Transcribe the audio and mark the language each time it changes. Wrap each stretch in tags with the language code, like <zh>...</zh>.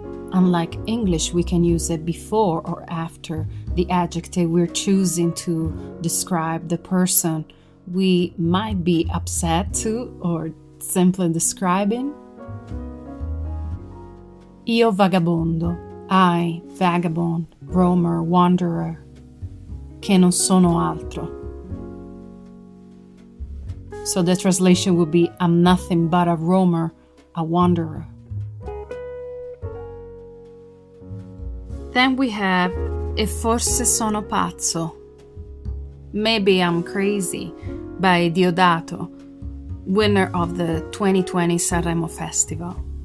<en>Unlike English, we can use it before or after the adjective we're choosing to describe the person we might be upset to or simply describing.</en> <it>Io vagabondo,</it> <en>I, vagabond, roamer, wanderer,</en> <it>che non sono altro.</it> <en>So the translation would be, I'm nothing but a roamer, a wanderer. Then we have,</en> <it>e forse sono pazzo.</it> <en>Maybe I'm crazy, by Diodato, winner of the 2020 Sanremo Festival.</en>